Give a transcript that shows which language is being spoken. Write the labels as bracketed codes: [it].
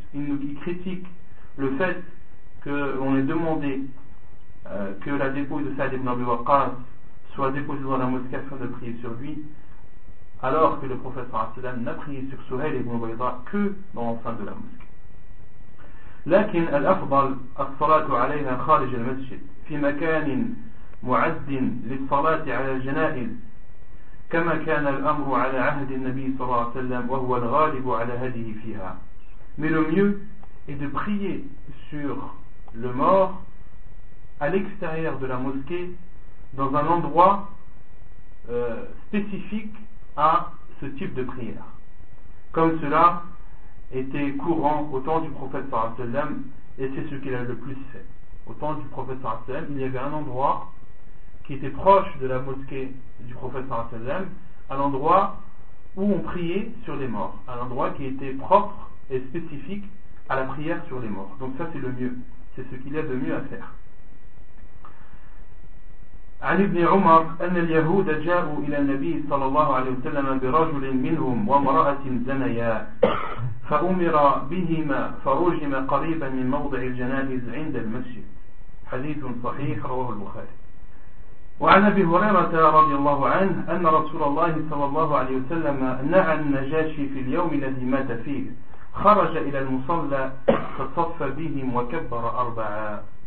[fr] Ils critiquent le fait que l'on ait demandé que la dépouille de Sa'd ibn Abi Waqqas soit déposé dans la mosquée afin de prier sur lui, alors que le prophète sallallahu alayhi wa sallam n'a prié sur Suhayl ibn Ubaydah que dans l'enceinte de la mosquée. [ar] لكن الأفضل الصلاة عليها خارج المسجد في مكان معد للصلاة على الجنائز كما كان الأمر على عهد النبي صلى الله عليه وسلم وهو الغالب على هذه فيها. [fr] Mais le mieux est de prier sur le mort à l'extérieur de la mosquée dans un endroit spécifique à ce type de prière, comme cela était courant au temps du prophète sallallahu alayhi wa sallam, et c'est ce qu'il a le plus fait. Au temps du prophète sallallahu alayhi wa sallam, il y avait un endroit qui était proche de la mosquée du prophète sallallahu alayhi wa sallam, à l'endroit où on priait sur les morts, à l'endroit qui était propre et spécifique à la prière sur les morts. Donc ça, c'est le mieux, c'est ce qu'il y a de mieux à faire. [ar] عن ابن عمر أن اليهود جاءوا إلى النبي صلى الله عليه وسلم برجل منهم وامرأة زنيا فأمر بهما فرجم قريبا من موضع الجنائز عند المسجد. حديث صحيح رواه البخاري. وعن أبي هريرة رضي الله عنه أن رسول الله صلى الله عليه وسلم نعى النجاشي في اليوم الذي مات فيه خرج إلى المصلى فصف بهم وكبر أربعا.